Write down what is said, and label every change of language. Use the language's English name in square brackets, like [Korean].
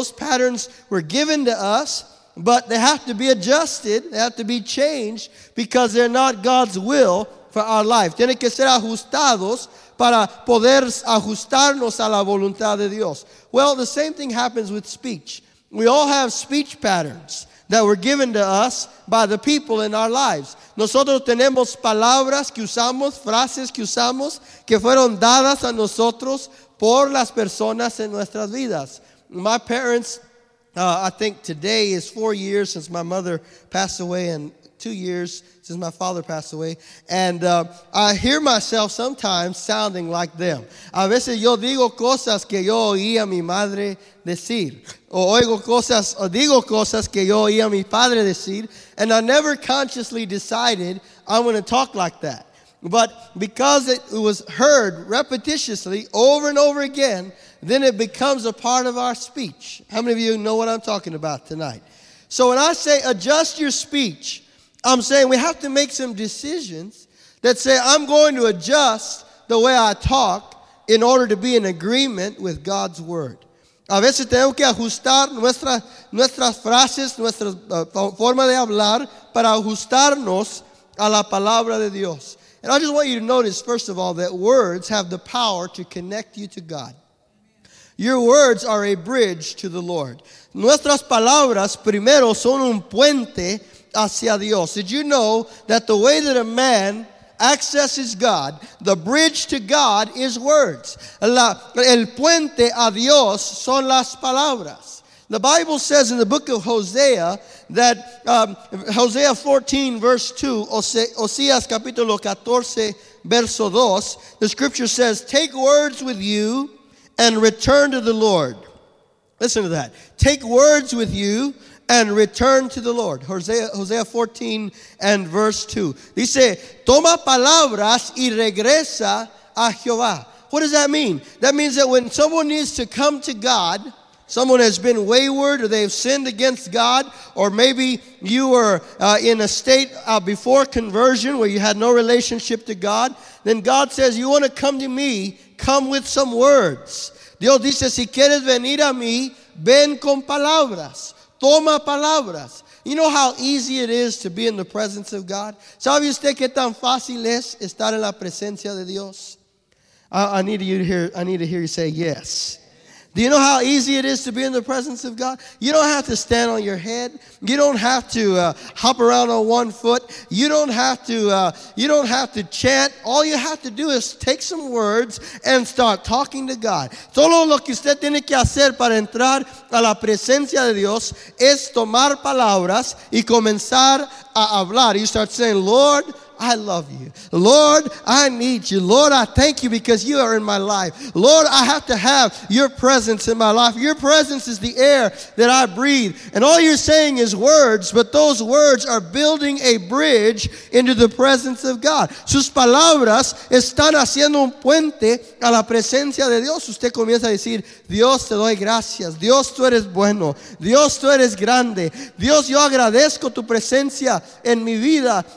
[English] Those patterns were given to us, but they have to be adjusted, they have to be changed, because they're not God's will for our life. [Spanish] Tiene que ser ajustados para poder ajustarnos a la voluntad de Dios. [English] Well, the same thing happens with speech. We all have speech patterns that were given to us by the people in our lives. [Spanish] Nosotros tenemos palabras que usamos, frases que usamos, que fueron dadas a nosotros por las personas en nuestras vidas. [English] My parents, I think today is 4 years since my mother passed away, and 2 years since my father passed away, and I hear myself sometimes sounding like them. [Spanish] A veces yo digo cosas que yo oí a mi madre decir, o oigo cosas, o digo cosas que yo oí a mi padre decir, [English] and I never consciously decided I'm going to talk like that. But because it was heard repetitiously over and over again, then it becomes a part of our speech. How many of you know what I'm talking about tonight? So when I say adjust your speech, I'm saying we have to make some decisions that say I'm going to adjust the way I talk in order to be in agreement with God's word. [Spanish] A veces tenemos que ajustar nuestras frases, nuestra forma de hablar para ajustarnos a la palabra de Dios. [English] And I just want you to notice, first of all, that words have the power to connect you to God. Your words are a bridge to the Lord. [Spanish] Nuestras palabras primero son un puente hacia Dios. [English] Did you know that the way that a man accesses God, the bridge to God is words? [Spanish] El puente a Dios son las palabras. [English] The Bible says in the book of Hosea that Hosea 14 verse 2, [Spanish] Oseas capítulo 14 verso 2, [English] the scripture says, take words with you and return to the Lord. Listen to that. Take words with you and return to the Lord. Hosea 14 and verse 2. [Spanish] Dice, toma palabras y regresa a Jehová. [English] What does that mean? That means that when someone needs to come to God, someone has been wayward or they've sinned against God, or maybe you were in a state before conversion where you had no relationship to God, then God says, you want to come to me, come with some words. [Spanish] Dios dice, si quieres venir a mí, ven con palabras. Toma palabras. [English] You know how easy it is to be in the presence of God? [Spanish] ¿Sabe usted qué tan fácil es estar en la presencia de Dios? [English] I need to hear you say yes. Do you know how easy it is to be in the presence of God? You don't have to stand on your head. You don't have to hop around on one foot. You don't have to chant. All you have to do is take some words and start talking to God. [Spanish] Solo lo que usted tiene que hacer para entrar a la presencia de Dios es tomar palabras y comenzar a hablar. [English] You start saying, Lord, I love you. Lord, I need you. Lord, I thank you because you are in my life. Lord, I have to have your presence in my life. Your presence is the air that I breathe. And all you're saying is words, but those words are building a bridge into the presence of God. [Spanish] Sus palabras están haciendo un puente a la presencia de Dios. Usted comienza a decir, Dios, te doy gracias. Dios, tú eres bueno. Dios, tú eres grande. Dios, yo agradezco tu presencia en mi vida.